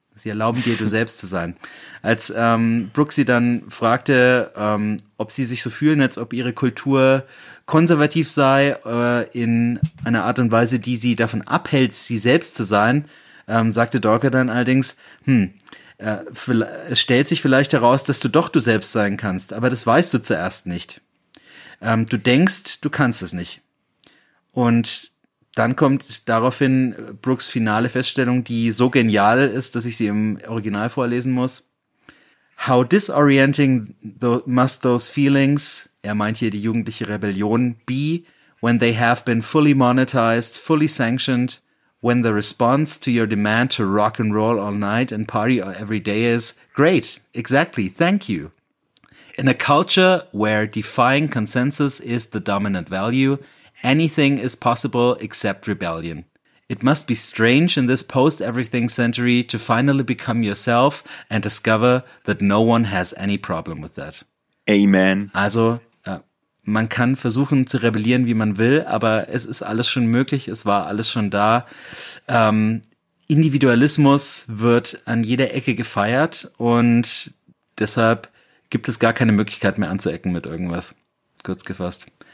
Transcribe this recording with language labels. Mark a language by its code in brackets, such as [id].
[de] Sie erlauben dir, du selbst zu sein. Als Brooks sie dann fragte, ob sie sich so fühlen, als ob ihre Kultur konservativ sei, in einer Art und Weise, die sie davon abhält, sie selbst zu sein, sagte Dorca dann allerdings, es stellt sich vielleicht heraus, dass du doch du selbst sein kannst, aber das weißt du zuerst nicht. Du denkst, du kannst es nicht. Und dann kommt daraufhin Brooks finale Feststellung, die so genial ist, dass ich sie im Original vorlesen muss. [en] How disorienting must those feelings, [de] er meint hier die jugendliche Rebellion, [en] be when they have been fully monetized, fully sanctioned, when the response to your demand to rock and roll all night and party every day is great, exactly, thank you. In a culture where defying consensus is the dominant value, anything is possible except rebellion. It must be strange in this post-everything century to finally become yourself and discover that no one has any problem with that. Amen. [de] Also, man kann versuchen zu rebellieren, wie man will, aber es ist alles schon möglich, es war alles schon da. Individualismus wird an jeder Ecke gefeiert und deshalb gibt es gar keine Möglichkeit mehr anzuecken mit irgendwas. Kurz gefasst.